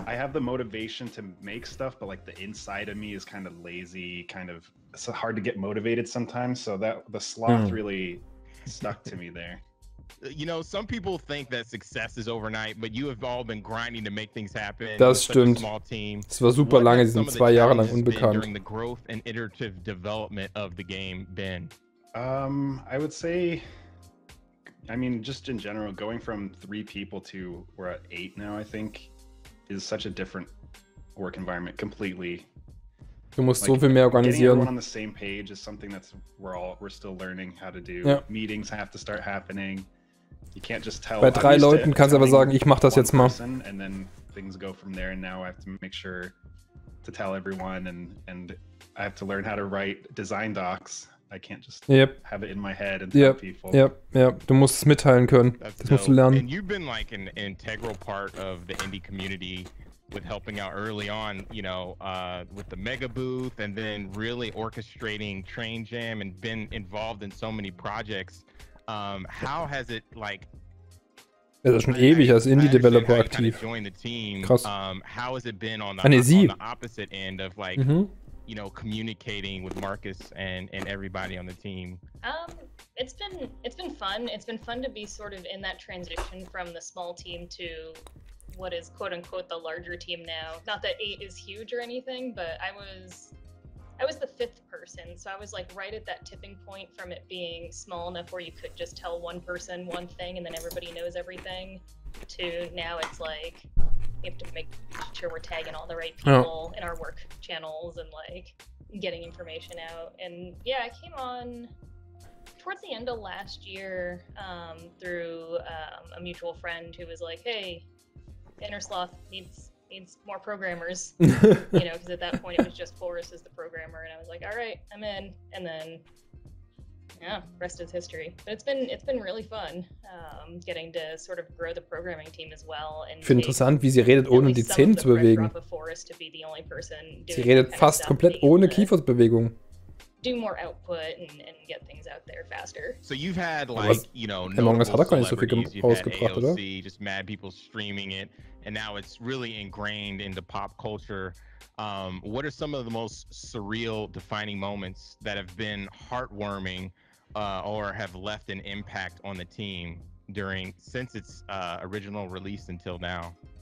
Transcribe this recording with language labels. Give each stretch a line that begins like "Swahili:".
English: I have the motivation to make stuff, but like the inside of me is kind of lazy, kind of, it's hard to get motivated sometimes. So that the sloth really stuck to me there. You know, some people think that success is overnight, but you have all been grinding to make things happen.
German: Das stimmt.
English: Small team.
German: Es war super lange, sie sind 2 Jahre lang unbekannt.
English: During the growth and iterative development of the game, Ben. I would say, I mean, just in general, going from 3 people to we're at 8 now, I think, is such a different work environment completely.
German: Du musst so viel mehr organisieren.
English: Getting everyone on the same page is something that's we're still learning how to do. Yeah. Meetings have to start happening. You can't just tell.
German: Bei drei Leuten kannst du aber sagen, ich mach das jetzt mal.
English: And then things go from there, and now I have to make sure to tell everyone, and I have to learn how to write design docs. I can't just have it in my head and tell people.
German: Du musst es mitteilen können. Das musst du lernen.
English: And you've been like an integral part of the indie community with helping out early on, you know, with the mega booth and then really orchestrating Train Jam and been involved in so many projects. How has it like?
German: Er ist schon ewig als Indie-Developer aktiv. Krass.
English: How has it been on the, on the opposite end of like, you know, communicating with Marcus and everybody on the team? It's been fun. It's been fun to be sort of in that transition from the small team to what is quote unquote the larger team now. Not that 8 is huge or anything, but I was the 5th person, so I was like right at that tipping point from it being small enough where you could just tell one person one thing and then everybody knows everything, to now it's like we have to make sure we're tagging all the right people in our work channels and like getting information out. And yeah, I came on towards the end of last year through a mutual friend who was like, hey, InnerSloth needs more programmers, you know, because at that point it was just Boris as the programmer, and I was like, all right, I'm in. And then, yeah, rest is history. But it's been really fun getting to sort of grow the programming team as well. And
German: ich finde interessant, wie sie redet, ohne die Zähne zu bewegen. Sie redet fast komplett ohne Kieferbewegung.
English: Do more output and get things out there faster. So you've had like, you know,
German: Among Us hat auch gar nicht so viel rausgebracht, oder?
English: Just mad people streaming it, and now it's really ingrained into pop culture. What are some of the most surreal defining moments that have been heartwarming or have left an impact on the team during since its original release until now?